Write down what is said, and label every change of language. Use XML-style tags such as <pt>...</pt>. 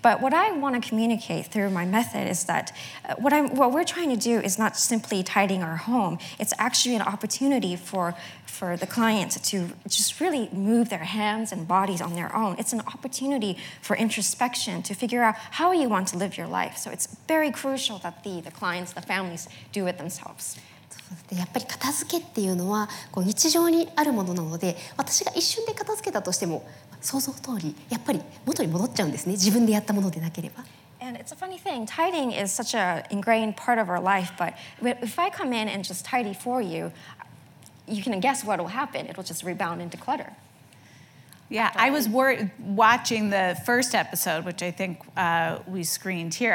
<en>But what I want to communicate through my method is that what we're trying to do is not simply tidying our home, it's actually an opportunity for the client to just really move their hands and bodies on their own. It's an opportunity for introspection to figure out how you want to live your life. So it's very crucial that the clients, the families do it themselves.</en> <ja>やっぱり片付けっていうのはこう日常にあるものなので、私が一瞬で片付けたとしても想像通りやっぱり元に戻っちゃうんですね、自分でやったものでなければ。</ja> <en>And it's a funny thing. Tidying is such an ingrained part of our life, but if I come in and just tidy for you, you can guess what will happen. It will just rebound into clutter. Yeah, I was watching the first episode, which I think we screened here.</en>